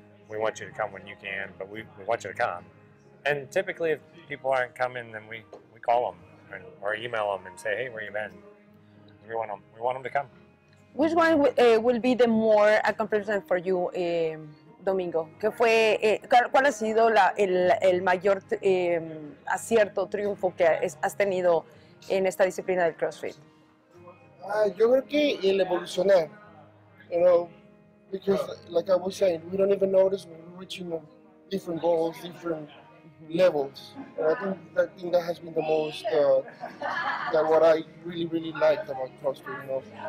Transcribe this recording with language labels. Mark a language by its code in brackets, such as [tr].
[en] We want you to come when you can, but we want you to come. And typically, if people aren't coming, then we call them or email them and say, hey, where you been? We want them to come. Which one will be the more accomplishment for you, Domingo? [es] ¿Qué fue, cuál ha sido el mayor acierto, triunfo que has tenido en esta disciplina del CrossFit? Yo creo que el evolucionar, [en] you know, because like I was saying, we don't even notice we're reaching different goals, different levels. And I think that has been the most, that what I really, really liked about CrossFit, you know.